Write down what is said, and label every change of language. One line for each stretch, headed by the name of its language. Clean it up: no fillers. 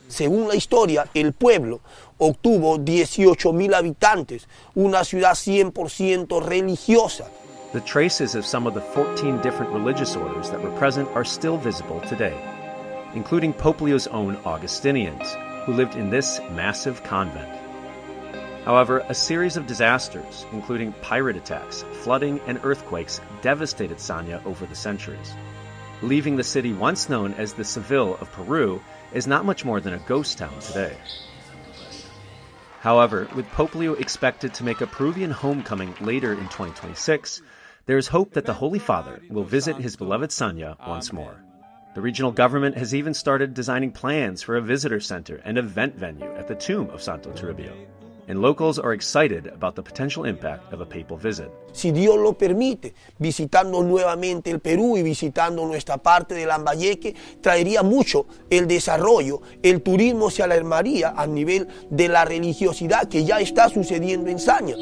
Spanish: Según la historia, el pueblo obtuvo 18,000 habitantes, una ciudad 100% religiosa.
English: The traces of some of the 14 different religious orders that were present are still visible today, including Pope Leo's own Augustinians, who lived in this massive convent. However, a series of disasters, including pirate attacks, flooding, and earthquakes, devastated Sana over the centuries, leaving the city once known as the Seville of Peru is not much more than a ghost town today. However, with Pope Leo expected to make a Peruvian homecoming later in 2026, there is hope that the Holy Father will visit his beloved Sana once more. The regional government has even started designing plans for a visitor center and event venue at the tomb of Santo Toribio. And locals are excited about the potential impact of a papal visit.
Spanish: Si Dios lo permite, visitando nuevamente el Perú y visitando nuestra parte de Lambayeque, traería mucho el desarrollo, el turismo se alarmaría a nivel de la religiosidad que ya está sucediendo en Sana.